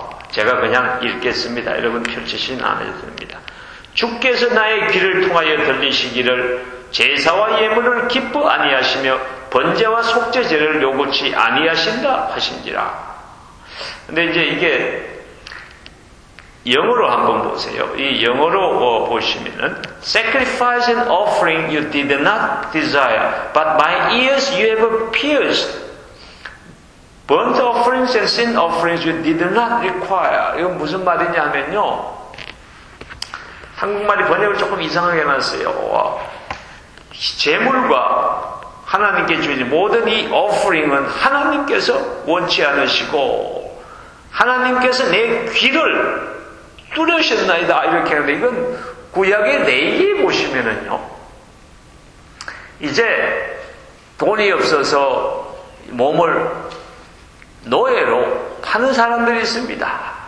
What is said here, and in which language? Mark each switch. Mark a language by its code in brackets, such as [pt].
[ko] 제가 그냥 읽겠습니다. 여러분 펼치신 않아도 됩니다. 주께서 나의 귀를 통하여 들리시기를 제사와 예물을 기뻐 아니하시며 번제와 속죄제를 요구치 아니하신다 하신지라. 근데 이제 이게 영어로 한번 보세요. 이 영어로 보시면은 [en] Sacrifice and offering you did not desire but my ears you have pierced. Burnt offerings and sin offerings you did not require. [ko] 이건 무슨 말이냐면요. 한국말이 번역을 조금 이상하게 놨어요. 제물과 하나님께 주신 모든 이 offering은 하나님께서 원치 않으시고 하나님께서 내 귀를 뚫으셨나이다 이렇게 하는데 이건 구약의 레위기 보시면은요 이제 돈이 없어서 몸을 노예로 파는 사람들이 있습니다.